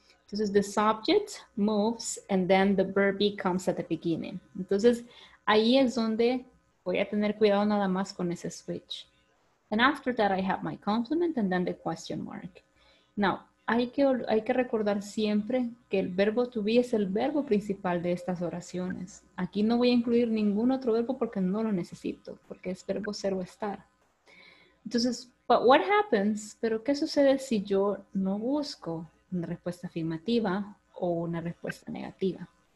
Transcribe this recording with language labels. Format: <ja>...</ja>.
<es>Entonces,</es> <en>the subject moves and then the verb comes at the beginning.</en> <es>Entonces, ahí es donde voy a tener cuidado nada más con ese switch.</es> <en>And after that, I have my complement and then the question mark. Now,</en> <es>hay que recordar siempre que el verbo to be es el verbo principal de estas oraciones. Aquí no voy a incluir ningún otro verbo porque no lo necesito, porque es verbo ser o estar. Entonces,</es> <en>but what happens?</en> <es>¿Pero qué sucede si yo no busco una respuesta afirmativa o una respuesta negativa?</es>